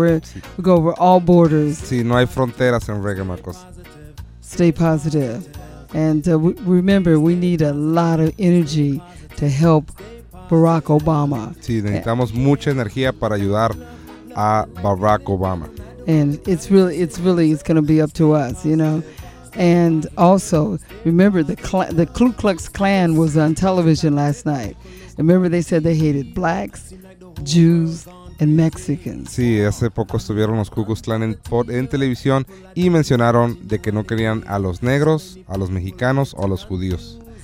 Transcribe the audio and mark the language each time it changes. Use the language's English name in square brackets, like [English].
[English] We go over all borders. [Spanish] Sí, no hay fronteras en Reggae Macosa. [English] Stay positive. And remember, we need a lot of energy to help Barack Obama. [Spanish] Sí, necesitamos mucha energía para ayudar a Barack Obama. [English] And it's going to be up to us, you know. And also, remember the Ku Klux Klan was on television last night. Remember they said they hated blacks, Jews, and Mexicans. [Spanish] Sí, hace poco estuvieron los Ku Klux Klan en televisión y mencionaron de que no querían a los negros, a los mexicanos o a los judíos.